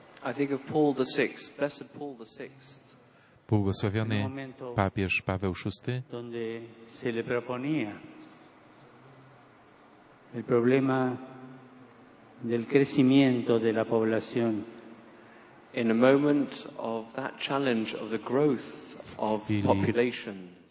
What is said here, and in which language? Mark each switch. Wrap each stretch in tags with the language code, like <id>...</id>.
<en>I think of Paul the Sixth, blessed Paul the Sixth.</en> <pl>Błogosławiony papież Paweł VI.</pl> <es>Donde se le proponía el problema del crecimiento de la población.</es> <en>In a moment of that challenge of the growth of populations.</en>